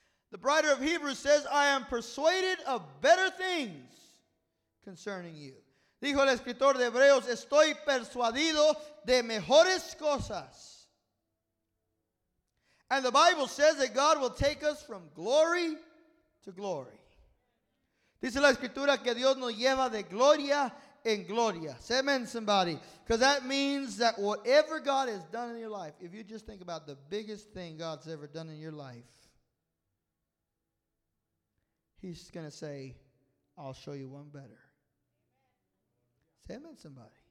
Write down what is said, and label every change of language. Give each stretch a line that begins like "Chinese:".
English: The writer of Hebrews says, I am persuaded of better things concerning you.
Spanish: Dijo el escritor de Hebreos, estoy persuadido de mejores cosas.
English: And the Bible says that God will take us from glory to glory.
Spanish: Dice la escritura que Dios nos lleva de gloria en gloria.
English: Say amen, somebody. Because that means that whatever God has done in your life, if you just think about the biggest thing God's ever done in your life, he's going to say, I'll show you one better. Say amen, somebody.